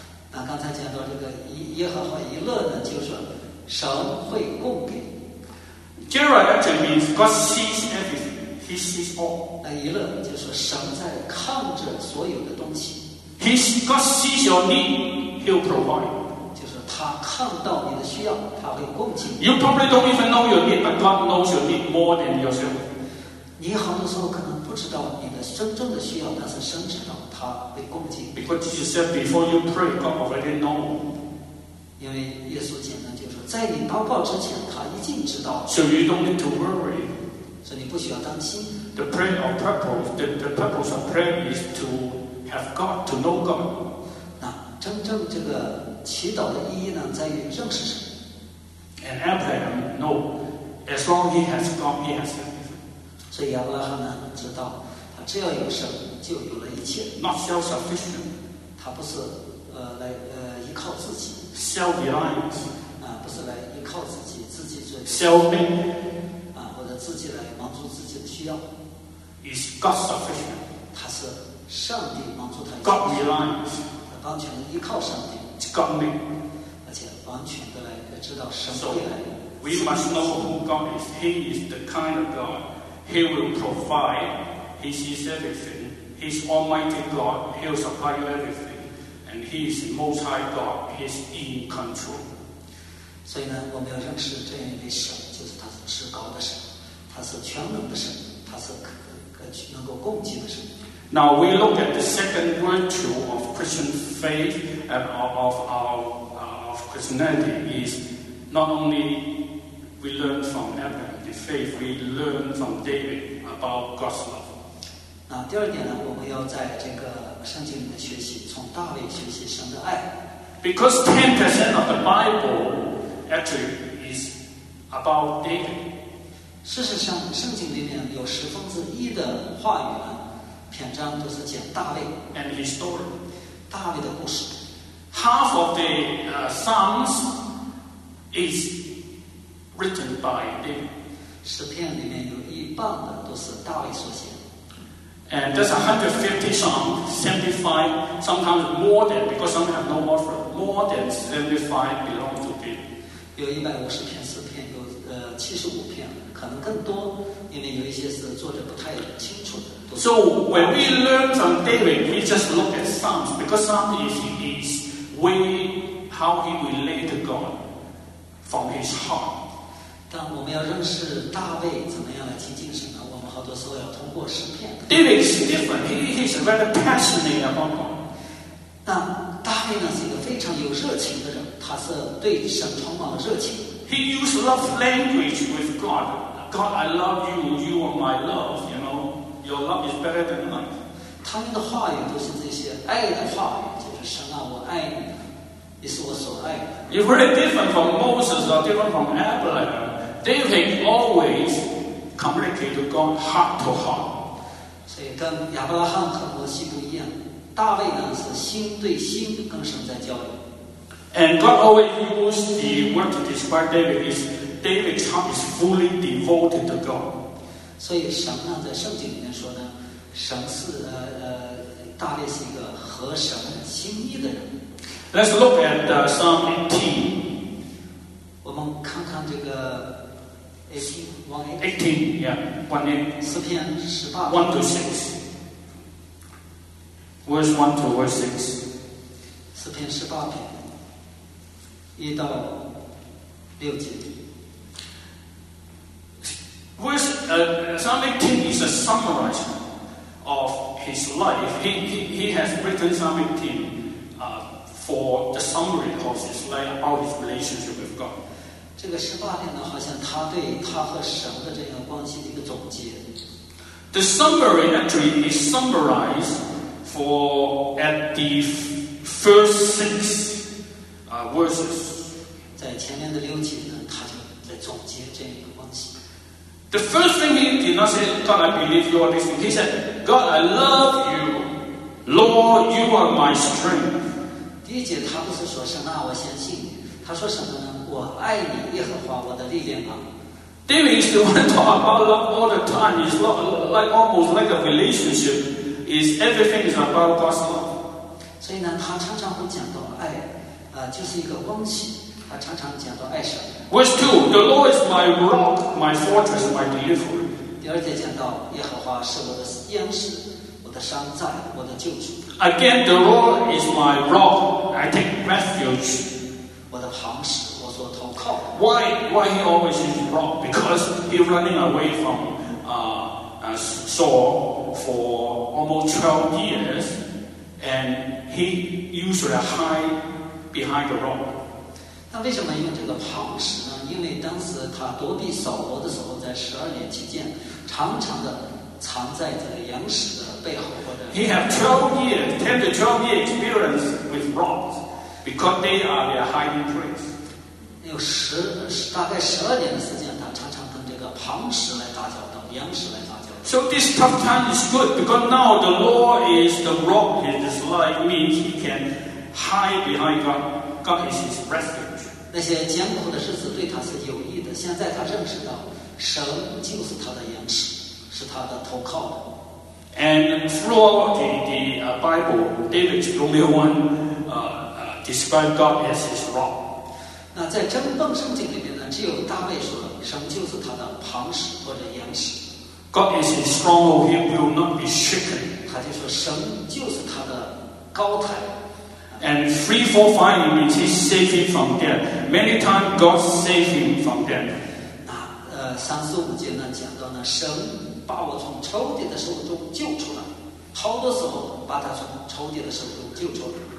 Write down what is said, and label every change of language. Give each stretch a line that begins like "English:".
Chinese: 那刚才讲到这个耶和华以勒呢，就是神会供给。
English: Jireh actually means God sees everything. He sees all.
Chinese: 那以勒就是神在看着所有的东西。
English: God sees your need, He'll provide.
Chinese: 他看到你的需要，他会供给你。
English: You probably don't even know your need, but God knows your need more than yourself.
Chinese: 你好多时候可能不知道你的真正的需要，但是神知道，他会供给你。
English: Because you said before you pray, God already know.
Chinese: 因为耶稣简单就说，在你祷告之前，他已经知道。
English: So you don't need to worry.
Chinese: 所以你不需要担心。
English: The prayer of purpose, the purpose of prayer is to have God, to know God.
Chinese: 那真正这个。祈祷的意义呢，在于认识神。
English: And Abraham know, as long he has God, he has everything.
Chinese: 所以亚伯拉罕呢，知道他只要有神，就有了一切。
English: Not self-sufficient.
Chinese: 他不是来依靠自己。
English: Self-reliance.
Chinese: 不是来依靠自己，自己做。
English: Self-made.
Chinese: 或者自己来满足自己的需要。
English: Is God sufficient?
Chinese: 他是上帝满足他。
English: God-reliance.
Chinese: 他完全依靠上帝。
English: God made,
Chinese: 而且完全的来知道神的爱。
English: We must know who God is. He is the kind of God. He will provide. He sees everything. He is Almighty God. He will supply you everything. And He is Most High God. He is in control.
Chinese: 所以呢，我们要认识这样一位神，就是他是至高的神，他是全能的神，他是能够供给的神。
English: Now we look at the second virtue of Christian faith and of Christianity is not only we learn from Abraham the faith, we learn from David about God's love.
Chinese: 那第二点呢，我们要在这个圣经里面学习，从大卫学习神的爱。
English: Because 10% of the Bible actually is about David.
Chinese: 事实上，圣经里面有十分之一的话语呢。篇章都是讲大卫
English: and his story,
Chinese: 大卫的故事。
English: Half of the Psalms is written by David.
Chinese: 诗篇里面有一半的都是大卫所写。
English: And there's 150 Psalms, 75, sometimes more than, because some have no offer, more than 75 belong to David.
Chinese: 有150篇诗篇，有75篇，可能更多，因为有一些是作者不太清楚的。
English: So when we learn from David, we just look at Psalms because Psalms is his way how he relate to God from his heart.
Chinese: 但我们要认识大卫怎么样来亲近神呢？我们好多时候要通过诗篇。
English: David is different. He is very passionate about God.
Chinese: 那大卫呢是一个非常有热情的人，他是对神充满了热情。
English: He used love language with God. God, I love you. You are my love. You know. Your love is better than mine.
Chinese: 他们的话语都是这些爱的话语，就是神啊，我爱你，你是我所爱的。
English: It's very different from Moses or different from Abraham. David always communicated to God heart to heart.
Chinese: 所以跟亚伯拉罕和摩西不一样，大卫呢是心对心跟神在交流。
English: And God always used the word to describe David is David's heart is fully devoted to God.
Chinese: 所以神呢，在圣经里面说呢，神是大卫是一个合神心意的人。
English: Let's look at Psalm 18.
Chinese: 我们看看这个
English: 18, yeah,
Chinese: 四篇十八。
English: One to six. Verse one to verse six.
Chinese: 四篇十八篇，一到六节。
English: Psalm 18 is a summarizer of his life. He has written Psalm 18 for the summary of his life about his relationship with God.
Chinese: 这个十八篇呢，好像他对他和神的这样关系的一个总结。
English: The summary actually is summarized at the first six verses.
Chinese: 在前面的六节呢，他就在总结这样一个关系。
English: The first thing he did not say, God, I believe you are this thing. He said, God, I love you. Lord, you are my strength.
Chinese: 第一节他不是说神啊，我相信你，他说什么呢？我爱你，耶和华，我的力量啊。
English: David is the one talk about love all the time. It's like almost like a relationship. Is everything is about God's love.
Chinese: 所以呢，他常常会讲到爱，就是一个关系。他常常讲到爱神。
English: Verse 2, the Lord is my rock, my fortress, my deliverer.
Chinese: 第二节讲到耶和华是我的坚实，我的山寨，我的救主。
English: Again, the Lord is my rock. I take refuge.
Chinese: 我的磐石。
English: Why he always is wrong? Because he's running away from Saul for almost 12 years, and he usually hide behind the rock.
Chinese: 那为什么用这个磐石呢？因为当时他躲避扫罗的时候，在十二年期间，常常的藏在这个岩石的背后或者。
English: He have 10 to 12 years experience with rocks because they are their hiding place.
Chinese: 有大概十二年的时间，他常常跟这个磐石来打交道，岩石来打交道。
English: So this tough time is good because now the Lord is the rock in his life, means he can hide behind God. God is his refuge.
Chinese: 那些艰苦的日子对他是有益的。现在他认识到神就是他的岩石，是他的投靠的。
English: And throughout the Bible, David is the only one describe God as his rock.
Chinese: 那在《箴谤》圣经里面呢，只有大卫说神就是他的磐石或者岩石。
English: God is his stronghold; he will not be shaken.
Chinese: 他就说神就是他的高台。
English: And 3, 4, 5 means he saved him from death. Many times God saved him from death.
Chinese: 那三四五节呢讲到呢，神把我从仇敌的手中救出来，好多时候把他从仇敌的手中救出来。